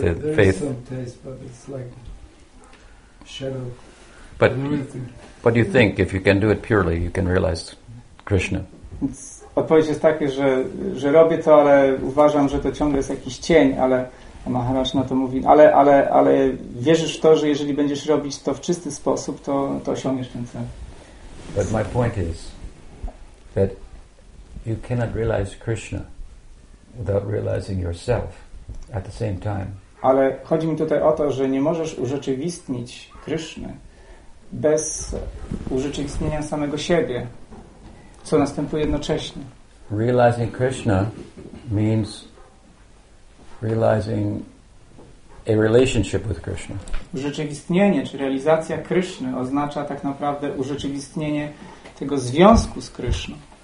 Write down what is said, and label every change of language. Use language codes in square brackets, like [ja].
[en] There is some taste, but it's like shadow. But you think if you can do it purely, you can realize Krishna. [pl] Odpowiedź jest taka, że robię to, ale uważam, że to ciągle jest jakiś cień, ale A Maharaj na to mówi, ale wierzysz w to, że jeżeli będziesz robić to w czysty sposób, to osiągniesz ten cel. [en] But my point is that you cannot realize Krishna without realizing yourself at the same time. [pl] Ale chodzi mi tutaj o to, że nie możesz urzeczywistnić Kryszny bez urzeczywistnienia samego siebie, co następuje jednocześnie. [en] Realizing Krishna means realizing a relationship with Krishna. [pl] Urzeczywistnienie czy realizacja Kryszny oznacza tak naprawdę urzeczywistnienie tego związku z Kryszną.